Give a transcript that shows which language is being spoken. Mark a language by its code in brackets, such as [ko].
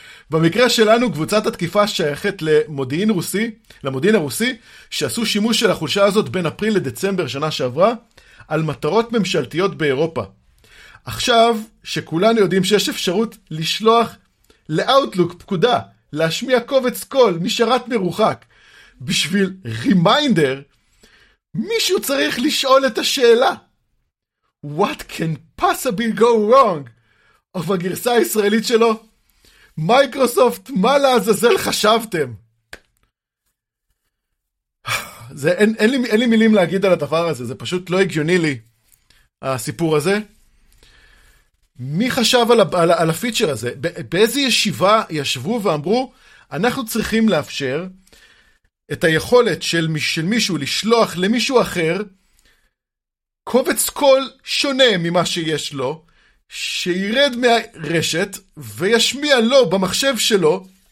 [he] במקרה שלנו, קבוצת התקיפה שייכת למודיעין רוסי, למודיעין הרוסי, שעשו שימוש של החולשה הזאת בין אפריל לדצמבר שנה שעברה, על מטרות ממשלתיות באירופה. עכשיו, שכולנו יודעים שיש אפשרות לשלוח לאוטלוק פקודה, להשמיע קובץ קול משרת מרוחק, בשביל רימיינדר, מישהו צריך לשאול את השאלה. [en] What can possibly go wrong? [he] אבל הגרסה הישראלית שלו, מייקרוסופט, מה לעזאזל חשבתם? זה, אין לי מילים להגיד על הדבר הזה, זה פשוט לא הגיוני לי, הסיפור הזה. מי חשב על, על, על הפיצ'ר הזה? באיזה ישיבה ישבו ואמרו, אנחנו צריכים לאפשר את היכולת של, של מישהו לשלוח למישהו אחר קובץ קול שונה ממה שיש לו, שירד מהרשת וישמיע לו במחשב שלו.